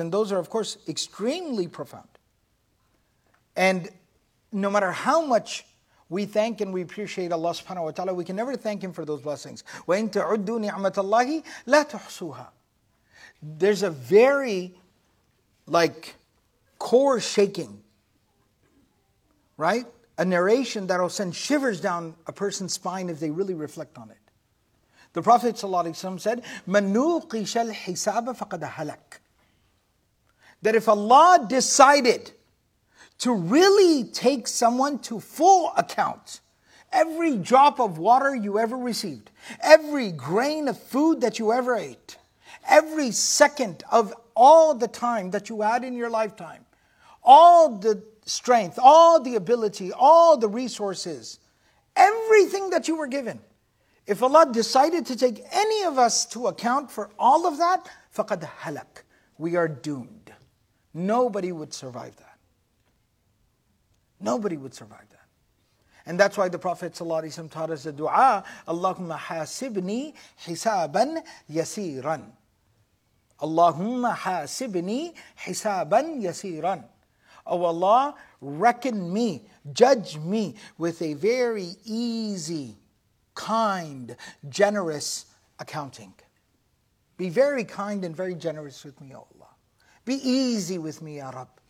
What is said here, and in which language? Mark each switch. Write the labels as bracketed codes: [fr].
[en] And those are, of course, extremely profound. And no matter how much we thank and we appreciate Allah subhanahu wa ta'ala, we can never thank Him for those blessings. [ar] وَإِن تَعُدُّوا نِعْمَةَ اللَّهِ لَا تُحْصُوهَا. [en] There's a very, like, core shaking, right? A narration that will send shivers down a person's spine if they really reflect on it. [ar] The Prophet ﷺ said, مَنُوْقِشَ الْحِسَابَ فَقَدَ هَلَكَ. [en] That if Allah decided to really take someone to full account, every drop of water you ever received, every grain of food that you ever ate, every second of all the time that you had in your lifetime, all the strength, all the ability, all the resources, everything that you were given, if Allah decided to take any of us to account for all of that, [ar] فَقَدْ هَلَكْ. [en] We are doomed. Nobody would survive that. Nobody would survive that. And that's why the Prophet ﷺ taught us a dua, [ar] اللهم حاسبني حسابا يسيرا. اللهم حاسبني حسابا يسيرا. [en] Oh Allah, reckon me, judge me with a very easy, kind, generous accounting. Be very kind and very generous with me, O Allah. Be easy with me, Ya Rab.